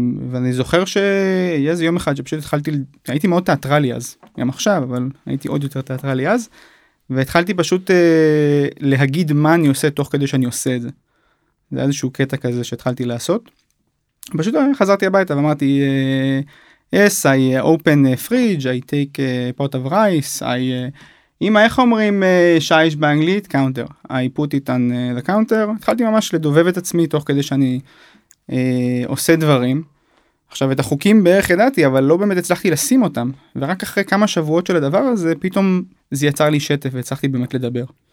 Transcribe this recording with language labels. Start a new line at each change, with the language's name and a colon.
Hebrew: ואני זוכר שיהיה איזה יום אחד שפשוט התחלתי, הייתי מאוד תיאטרלי אז, גם עכשיו, אבל הייתי עוד יותר תיאטרלי אז, והתחלתי פשוט להגיד מה אני עושה תוך כדי שאני עושה את זה. זה איזשהו קטע כזה שהתחלתי לעשות. פשוט חזרתי הביתה ואמרתי,
English: yes, I open a fridge, I take a pot of rice, I...
Hebrew: אמא, איך אומרים שיש באנגלית? קאונטר.
English: I put it on the counter.
Hebrew: התחלתי ממש לדובב את עצמי תוך כדי שאני עושה דברים. עכשיו, את החוקים בערך ידעתי, אבל לא באמת הצלחתי לשים אותם. ורק אחרי כמה שבועות של הדבר הזה, פתאום זה יצר לי שטף והצלחתי באמת לדבר.